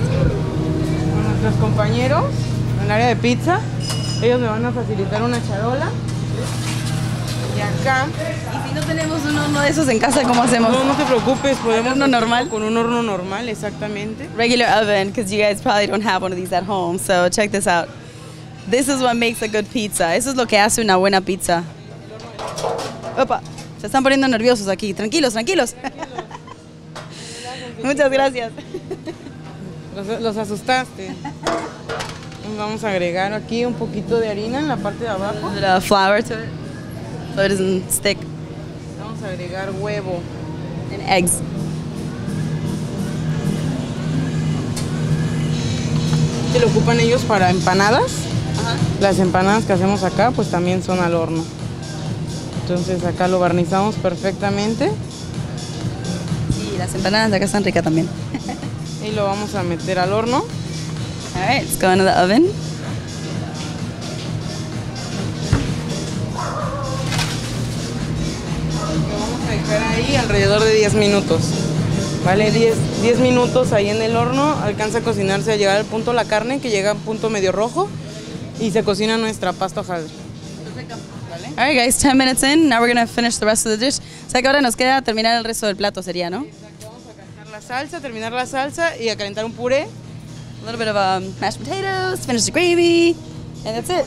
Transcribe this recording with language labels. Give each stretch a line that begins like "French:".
Spanish: Con nuestros compañeros en el área de pizza. Ellos me van a facilitar una charola. Y acá. No tenemos un horno de esos en casa, ¿cómo hacemos? No, no te preocupes, podemos... ¿Un horno normal? Con un horno normal, exactamente.
English: Regular oven, because you guys probably don't have one of these at home, so check this out. This is what makes a good pizza.
Spanish: Eso es lo que hace una buena pizza. Opa, se están poniendo nerviosos aquí. Tranquilos, tranquilos. Tranquilos. Muchas gracias. Los asustaste. Vamos a agregar aquí un poquito de harina en la parte de abajo.
English: The flour to it, so it doesn't stick.
Spanish: Agregar huevo.
English: And eggs.
Spanish: Se lo ocupan ellos para empanadas. Ajá. Las empanadas que hacemos acá, pues también son al horno. Entonces acá lo barnizamos perfectamente. Sí, las empanadas de acá están ricas también. Y lo vamos a meter al horno.
English: All right, let's go into the oven.
Spanish: Alrededor de 10 minutos, vale, 10 minutos ahí en el horno, alcanza a cocinarse, a llegar al punto la carne, que llega a un punto medio rojo, y se cocina nuestra pasta hojaldre. ¿Vale?
English: All right guys, 10 minutes in, now we're gonna finish the rest of the dish.
Spanish: O sea que ahora nos queda terminar el resto del plato, sería, ¿no? Exacto, vamos a calentar la salsa, terminar la salsa y a calentar un puré.
English: A little bit of mashed potatoes, finish the gravy, and that's it.